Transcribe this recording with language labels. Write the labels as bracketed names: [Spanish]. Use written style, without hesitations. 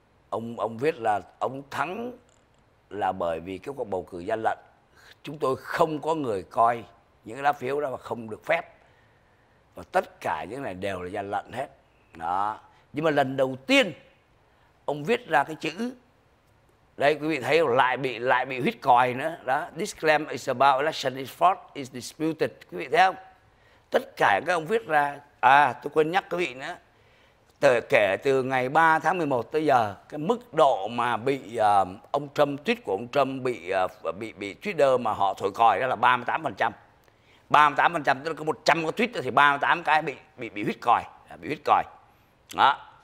[Vietnamese] Ông viết là ông thắng là bởi vì cái cuộc bầu cử gian lận. Chúng tôi không có người coi những lá phiếu đó và không được phép. Và tất cả những này đều là gian lận hết. Đó. Nhưng mà lần đầu tiên ông viết ra cái chữ đây, quý vị thấy lại bị huýt còi nữa. [English] Đó, this claim is about election is fraud is disputed. [Vietnamese] Quý vị thấy không? Tất cả các ông viết ra, à tôi quên nhắc quý vị nữa. Kể từ ngày 3 tháng 11 tới giờ, cái mức độ mà bị ông Trump, tweet của ông Trump bị Twitter mà họ thổi còi đó là 38%. 38%, tức là có 100 cái tweet thì 38 cái bị huýt còi. Đó.